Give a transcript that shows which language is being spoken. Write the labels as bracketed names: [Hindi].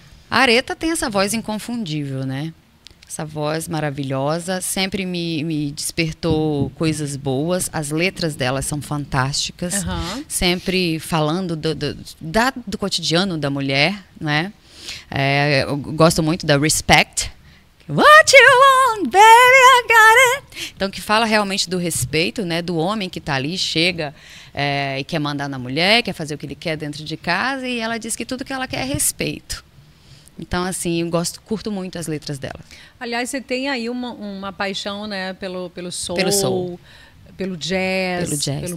[Portuguese] A Aretha tem essa voz inconfundível, né? Essa voz maravilhosa, sempre me despertou coisas boas, as letras dela são fantásticas, uhum. Sempre falando do cotidiano da mulher, né? É, eu gosto muito da Respect. [English] What you want, baby, I got it. [Portuguese] Então, que fala realmente do respeito, né? Do homem que tá ali, chega e quer mandar na mulher, quer fazer o que ele quer dentro de casa, e ela diz que tudo que ela quer é respeito. Então, assim, eu curto muito as letras dela. Aliás, você tem aí uma paixão, né, pelo soul, pelo jazz pelo